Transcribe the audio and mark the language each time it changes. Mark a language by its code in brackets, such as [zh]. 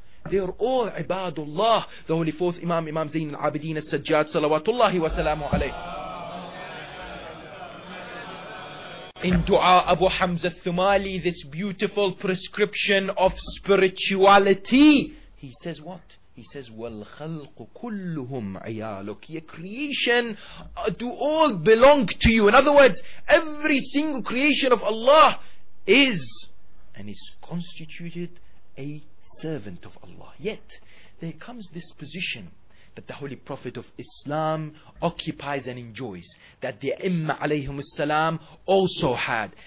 [en] They are all ibadullah. The holy fourth Imam, Imam Zain al-Abidin al-Sajjad, salawatullahi wa salamu alayhi. In dua Abu Hamza al-Thumali, this beautiful prescription of spirituality, he says what? He says, [ar] وَالْخَلْقُ كُلُّهُمْ عِيَالُكَ. [en] Your creation do all belong to you. In other words, every single creation of Allah is and is constituted a servant of Allah. Yet there comes this position that the Holy Prophet of Islam occupies and enjoys, that the Imma alayhim as-salam also had.